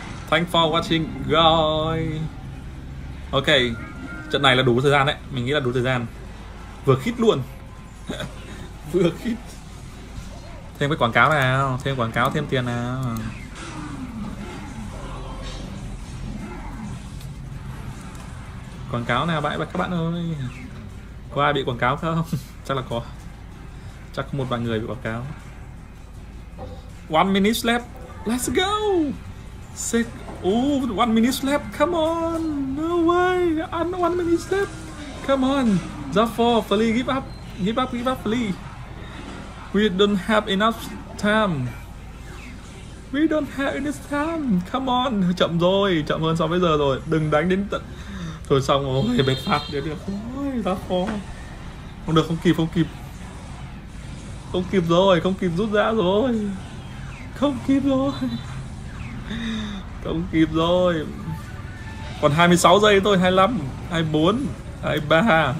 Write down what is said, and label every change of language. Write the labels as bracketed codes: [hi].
[en] Thanks for watching, guys. [vi] Ok, trận này là đủ thời gian đấy. Mình nghĩ là đủ thời gian. Vừa khít luôn. Vừa khít. Thêm cái quảng cáo nào, thêm quảng cáo, thêm tiền nào. Quảng cáo nào bãi các bạn ơi. Có ai bị quảng cáo không? Chắc là có. Chắc có một vài người bị quảng cáo. [en] 1 minute left. Let's go. Six. Oh, 1 minute left. Come on. No way. I'm 1 minute left. Come on. Zafor, please give up. Give up, give up, please. We don't have enough time. We don't have enough time. Come on. [vi] Chậm rồi, chậm hơn so với giờ rồi. Đừng đánh đến tận. Thôi xong rồi, bẹt phạt để được. Ra khó. Không được, không kịp, không kịp. Không kịp rồi, không kịp rút ra rồi. Không kịp rồi. Không kịp rồi. Còn 26 giây thôi, 25, 24, 23.